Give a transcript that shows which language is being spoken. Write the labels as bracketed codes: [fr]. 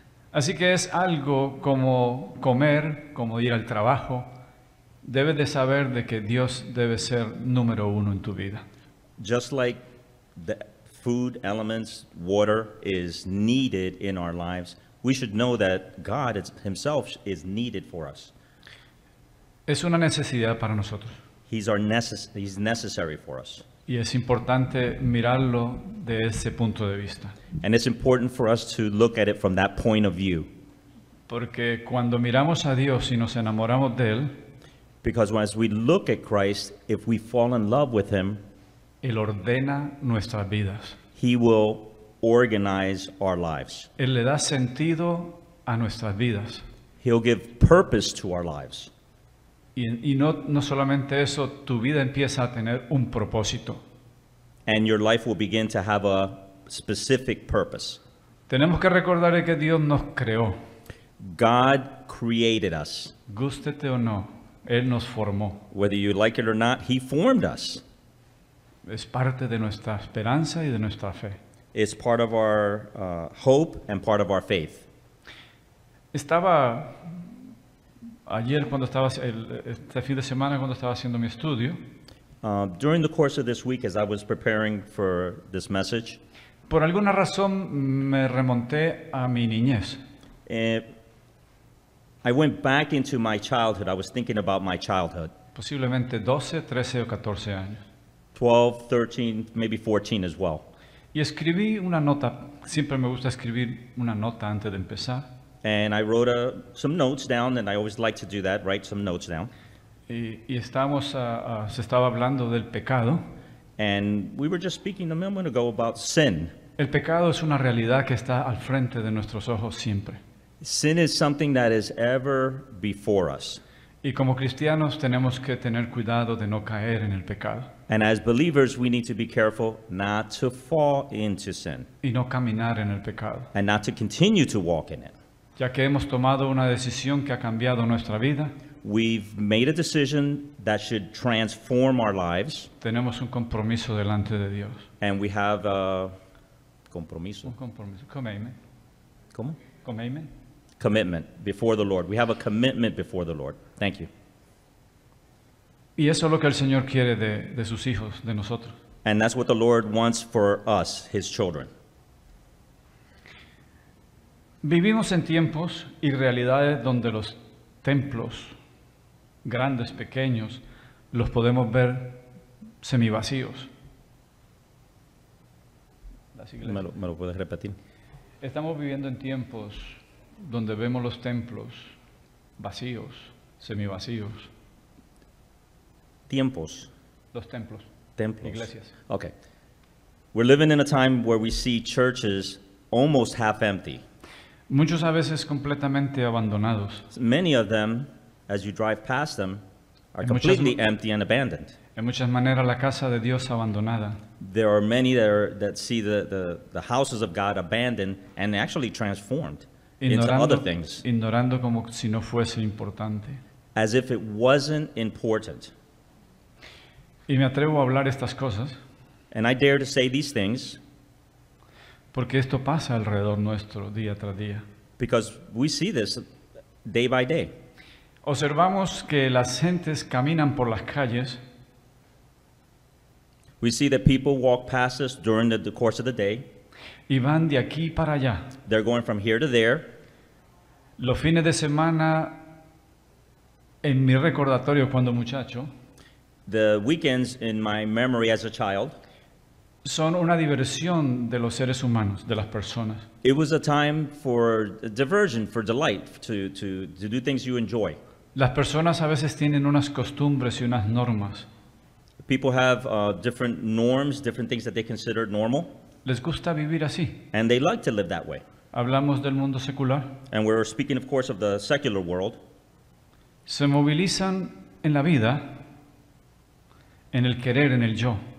[es] Así que es algo como comer, como ir al trabajo. Debes de saber de que Dios debe ser número uno en tu vida. [en] Just like the food, elements, water is needed in our lives, we should know that God himself is needed for us. [es] Es una necesidad para nosotros. [en] He's necessary for us. [es] Y es importante mirarlo de ese punto de vista. [en] And it's important for us to look at it from that point of view. [es] Porque cuando miramos a Dios y nos enamoramos de él, [en] because as we look at Christ, if we fall in love with him, [es] él ordena nuestras vidas. [en] He will organize our lives. [es] Él le da sentido a nuestras vidas. [en] He'll give purpose to our lives. [es] Y no solamente eso, tu vida empieza a tener un propósito. [en] And your life will begin to have a specific purpose. [es] Tenemos que recordar que Dios nos creó. [en] God created us. [es] Gústete o no, él nos formó. [en] Whether you like it or not, he formed us. [es] Es parte de nuestra esperanza y de nuestra fe. [en] It's part of our hope and part of our faith. [es] Estaba ayer cuando estaba este fin de semana cuando estaba haciendo mi estudio. [en] During the course of this week, as I was preparing for this message, [es] por alguna razón me remonté a mi niñez. [en] I went back into my childhood. I was thinking about my childhood. [es] Posiblemente 12, 13 o 14 años. [en] 12, 13, maybe 14 as well. [es] Y escribí una nota. Siempre me gusta escribir una nota antes de empezar. [en] And I wrote some notes down, and I always like to do that, write some notes down. [es] Y estamos, se estaba hablando del pecado. [en] And we were just speaking a moment ago about sin. [es] El pecado es una realidad que está al frente de nuestros ojos siempre. [en] Sin is something that is ever before us. [es] Y como cristianos tenemos que tener cuidado de no caer en el pecado. [en] And as believers, we need to be careful not to fall into sin. [es] Y no caminar en el pecado. [en] And not to continue to walk in it. [es] Ya que hemos tomado una decisión que ha cambiado nuestra vida. [en] We've made a decision that should transform our lives. [es] Tenemos un compromiso delante de Dios. [en] And we have a compromiso. [es] Un compromiso. Commitment. ¿Cómo? [en] Commitment. Commitment before the Lord. We have a commitment before the Lord. Thank you. [es] Y eso es lo que el Señor quiere de sus hijos, de nosotros. [en] And that's what the Lord wants for us, his children. [es] Vivimos en tiempos y realidades donde los templos, grandes, pequeños, los podemos ver semivacíos. ¿Me lo puedes repetir? Estamos viviendo en tiempos donde vemos los templos vacíos, semivacíos. ¿Tiempos? Los templos. Templos. Iglesias. [en] Okay. We're living in a time where we see churches almost half empty. [es] Muchos a veces completamente abandonados. [en] Many of them, as you drive past them, are completely empty and abandoned. [es] En muchas maneras la casa de Dios abandonada. [en] There are many that see the houses of God abandoned and actually transformed [es] ignorando, [en] into other things. [es] Ignorando como si no fuese importante. [en] As if it wasn't important. [es] Y me atrevo a hablar estas cosas. [en] And I dare to say these things. [es] Porque esto pasa alrededor nuestro día tras día. [en] Because we see this day by day. [es] Observamos que las gentes caminan por las calles. [en] We see that people walk past us during the course of the day. [es] Y van de aquí para allá. [en] They're going from here to there. [es] Los fines de semana, en mi recordatorio cuando muchacho, [en] the weekends in my memory as a child, [es] son una diversión de los seres humanos, de las personas. [en] It was a time for a diversion, for delight, to do things you enjoy. [es] Las personas a veces tienen unas costumbres y unas normas. [en] People have different norms, different things that they consider normal. [es] Les gusta vivir así. [en] And they like to live that way. [es] Hablamos del mundo secular. [en] And we're speaking, of course, of the secular world. [es] Se movilizan en la vida, en el querer, en el yo.